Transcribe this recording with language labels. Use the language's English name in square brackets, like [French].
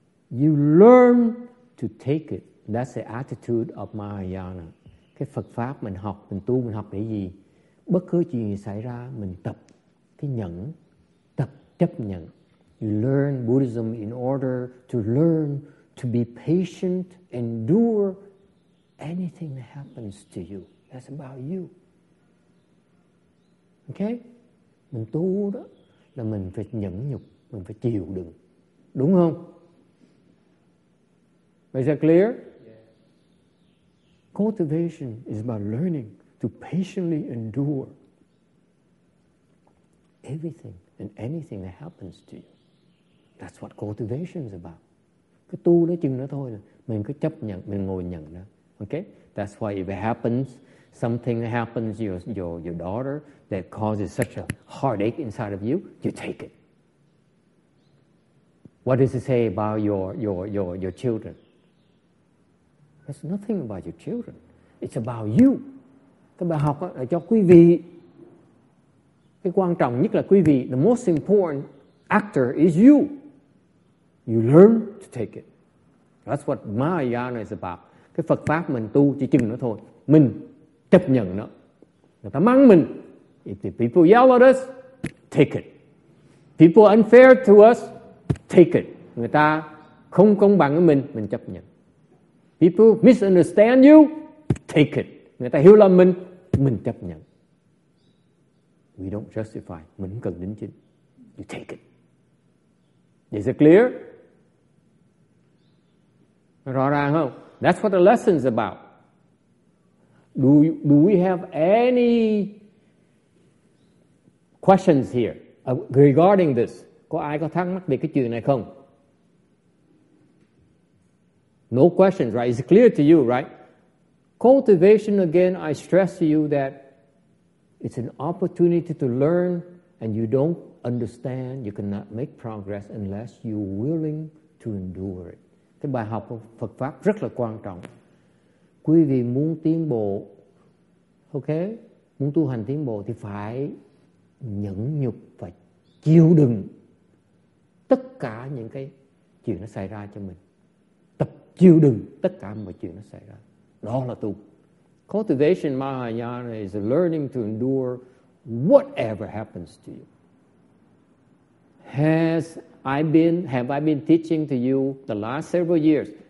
[English] You learn to take it. That's the attitude of Mahayana. [Vietnamese] Cái Phật Pháp mình học, mình tu, mình học để gì? Bất cứ chuyện gì xảy ra, mình tập cái nhẫn, tập chấp nhận. [English] You learn Buddhism in order to learn to be patient, endure anything that happens to you. That's about you. Okay? [Vietnamese] Mình tu đó là mình phải nhẫn nhục, mình phải chịu đựng. Đúng không? [English] Is that clear? Yeah. Cultivation is about learning to patiently endure everything and anything that happens to you. That's what cultivation is about. [Vietnamese] Cứ tu nó chừng đó thôi, mình cứ chấp nhận, mình ngồi nhận đó. Okay? [English] That's why if it happens, something happens, your daughter that causes such a heartache inside of you, you take it. What does it say about your children? It's nothing about your children. It's about you. [Vietnamese] Cái bài học là cho quý vị. Cái quan trọng nhất là quý vị. [English] The most important actor is you. You learn to take it. That's what Mahayana is about. [Vietnamese] Cái Phật Pháp mình tu chỉ chừng nó thôi. Mình chấp nhận nó. Người ta mắng mình. [English] If the people yell at us, take it. People unfair to us, take it. [Vietnamese] Người ta không công bằng với mình chấp nhận. [English] People misunderstand you, take it. [Vietnamese] Người ta hiểu lầm mình chấp nhận. [English] We don't justify. [Vietnamese] Mình cần đính chính. [English] You take it. Is it clear? [Vietnamese] Rõ ràng không? [English] That's what the lesson's about. Do we have any questions here regarding this? [Vietnamese] Có ai có thắc mắc về cái chuyện này không? [English] No questions, right? It's clear to you, right? Cultivation, again, I stress to you that it's an opportunity to learn, and you don't understand, you cannot make progress unless you're willing to endure it. [Vietnamese] Cái bài học của Phật Pháp rất là quan trọng. Quý vị muốn tiến bộ, ok? Muốn tu hành tiến bộ thì phải nhẫn nhục và chịu đựng tất cả những cái chuyện nó xảy ra cho mình. Tập chịu đựng tất cả mọi chuyện nó xảy ra. Đó là tu. [English] Cultivation Mahayana is learning to endure whatever happens to you. Have I been teaching to you the last several years?